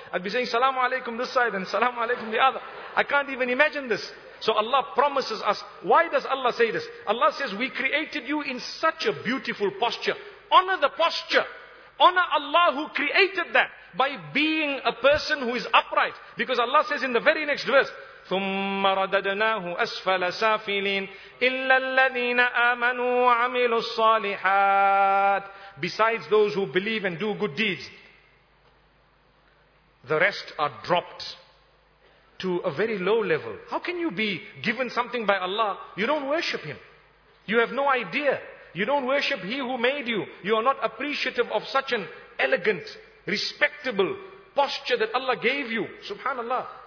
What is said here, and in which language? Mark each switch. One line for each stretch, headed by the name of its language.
English: I'd be saying, Salaamu Alaikum this side and Salaamu Alaikum the other. I can't even imagine this. So Allah promises us. Why does Allah say this? Allah says, we created you in such a beautiful posture. Honor the posture. Honor Allah who created that by being a person who is upright. Because Allah says in the very next verse,
Arabic: ثُمَّ رَدَدْنَاهُ أَسْفَلَ سَافِلِينَ إِلَّا الَّذِينَ آمَنُوا وَعَمِلُوا الصَّالِحَاتِ.
English: Besides those who believe and do good deeds, the rest are dropped to a very low level. How can you be given something by Allah? You don't worship Him. You have no idea. You don't worship He who made you. You are not appreciative of such an elegant, respectable posture that Allah gave you. Subhanallah.